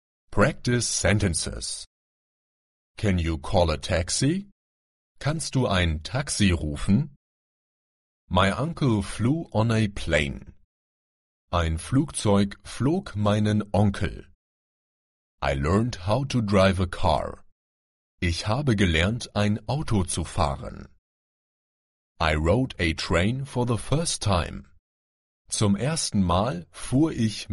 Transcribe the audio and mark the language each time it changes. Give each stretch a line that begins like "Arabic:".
English: Practice sentences. Can you call a taxi?
German: Kannst du ein Taxi rufen?
English: My uncle flew on a plane.
German: Ein Flugzeug flog meinen Onkel.
English: I learned how to drive a car.
German: Ich habe gelernt, ein Auto zu fahren.
English: I rode a train for the first time.
German: Zum ersten Mal fuhr ich mit